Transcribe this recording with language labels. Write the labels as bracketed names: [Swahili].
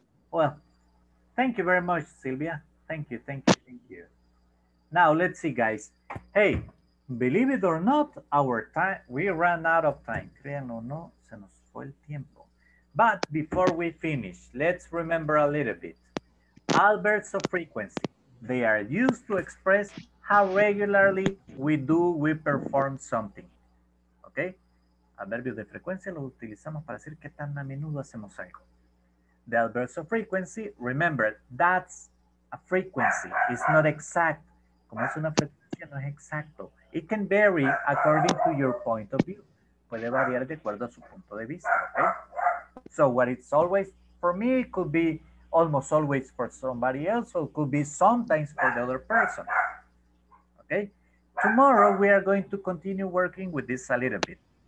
[English] Well, thank you very much, Silvia. Thank you. Now let's see, guys. Hey, believe it or not, our time, we ran out of time. [Spanish] Créanlo o no, se nos fue el tiempo. [English] But before we finish, let's remember a little bit. Adverbs of frequency. They are used to express how regularly we perform something. Okay? [Spanish] Adverbios de frecuencia los utilizamos para decir qué tan a menudo hacemos algo. [English] The adverbs of frequency, remember, that's a frequency. It's not exact. [Spanish] Como es una frecuencia, no es exacto. [English] It can vary according to your point of view. [Spanish] Puede variar de acuerdo a su punto de vista. [English] Okay? So what it's always, for me, it could be almost always for somebody else, or it could be sometimes for the other person. Okay, tomorrow we are going to continue working with this a little bit.